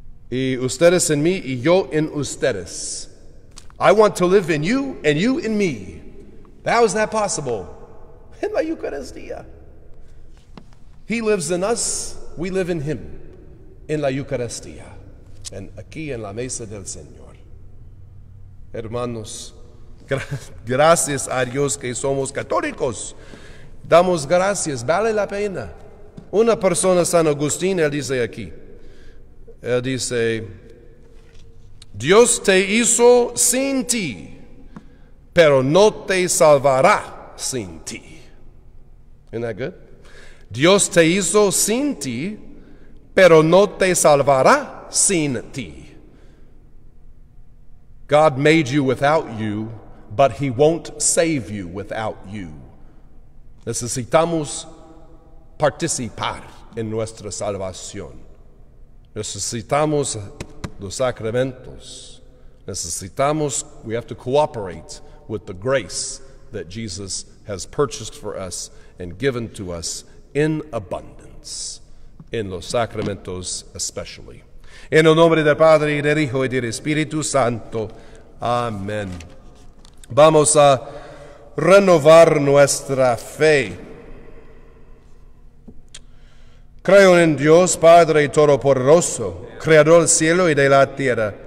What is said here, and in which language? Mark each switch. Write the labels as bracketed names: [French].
[Spanish] Y ustedes en mí y yo en ustedes. [English] I want to live in you and you in me. How is that possible? [Spanish] En la Eucaristía. [English] He lives in us. We live in Him, in [Spanish] la Eucaristía, and aquí en la Mesa del Señor. Hermanos, gracias a Dios que somos católicos. Damos gracias, vale la pena. Una persona, San Agustín, él dice aquí, él dice, Dios te hizo sin ti, pero no te salvará sin ti. [English] Isn't that good? [Spanish] Dios te hizo sin ti, pero no te salvará sin ti. [English] God made you without you, but He won't save you without you. [Spanish] Necesitamos participar en nuestra salvación. Necesitamos los sacramentos. Necesitamos, [English] we have to cooperate with the grace that Jesus has purchased for us and given to us in abundance, [Spanish] in los sacramentos [English] especially. [Spanish] En el nombre del Padre, y del Hijo, y del Espíritu Santo. Amén. Vamos a renovar nuestra fe. Creo en Dios, Padre Todopoderoso, Creador del cielo y de la tierra.